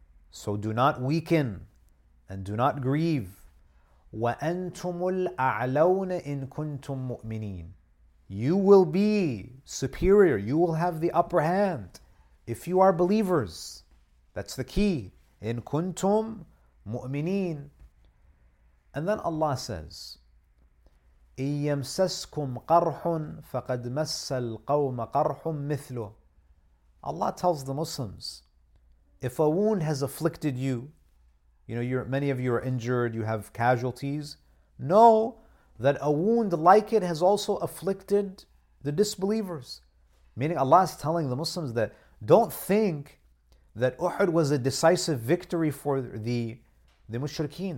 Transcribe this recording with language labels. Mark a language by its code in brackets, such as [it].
[en] So do not weaken and do not grieve. [ar] وَأَنْتُمُ الْأَعْلَوْنَ إِن كُنْتُم مُؤْمِنِينَ. [en] You will be superior. You will have the upper hand if you are believers. That's the key. In kuntum mu'mineen. And then Allah says, [ar] إِنْ يَمْسَسْكُمْ قَرْحٌ فَقَدْ مَسَّ الْقَوْمَ قَرْحٌ مِثْلُهُ. [en] Allah tells the Muslims, if a wound has afflicted you, you know, many of you are injured, you have casualties, know that a wound like it has also afflicted the disbelievers. Meaning Allah is telling the Muslims that don't think that Uhud was a decisive victory for the mushrikeen.